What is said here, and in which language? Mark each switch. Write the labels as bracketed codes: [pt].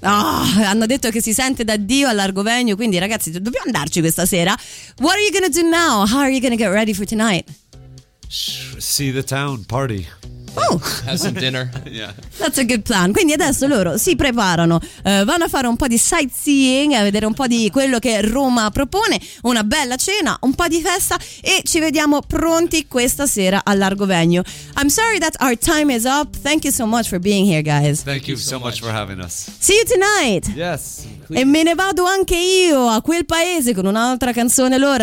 [it] Hanno detto che si sente da Dio a Largo Venue, quindi ragazzi, dobbiamo andarci questa sera. [en] What are you gonna do now? How are you gonna get ready for tonight? See the town, party. Oh. Have some dinner. Yeah. That's a good plan. [it] Quindi adesso loro si preparano, vanno a fare un po' di sightseeing, a vedere un po' di quello che Roma propone, una bella cena, un po' di festa, e ci vediamo pronti questa sera a Largo Venue. [en] I'm sorry that our time is up. Thank you so much for being here, guys. Thank you so much for having us. See you tonight. Yes. [it] E me ne vado anche io a quel paese con un'altra canzone loro.